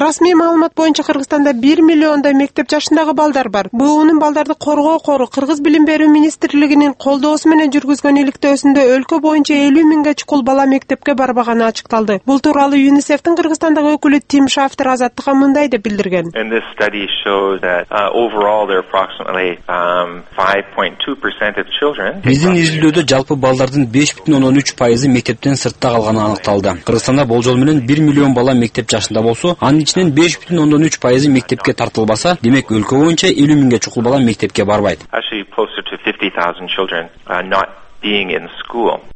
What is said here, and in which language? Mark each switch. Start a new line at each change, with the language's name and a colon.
Kyrgyz: Расмий маалымат боюнча Кыргызстанда 1 миллиондой мектеп жашындагы балдар бар. БУУнун балдарды коргоо кору Кыргыз билим берүү министрлигинин колдоосу менен жүргүзгөн иликтөөсүндө өлкө боюнча 50 000 чук бала мектепке барбаганы ачыкталды. Бул тууралуу ЮНИСЕФтин Кыргызстандагы өкүлү Тим Шафтер Азаттыкка мындай деп билдирген.
English: And this study shows that overall there are approximately 5.2% of children.
Kyrgyz: Биздин изилдөөдө жалпы балдардын 5.13% мектептен сыртта калганы аныкталды. Кыргызстанда болжол менен 1 миллион бала мектеп жашында болсо, анын ичинен 5.13% мектепке тартылбаса, демек өлкө боюнча 50 000 чук бала мектепке барбайт.
English: Actually, closer to 50,000 children not being in school.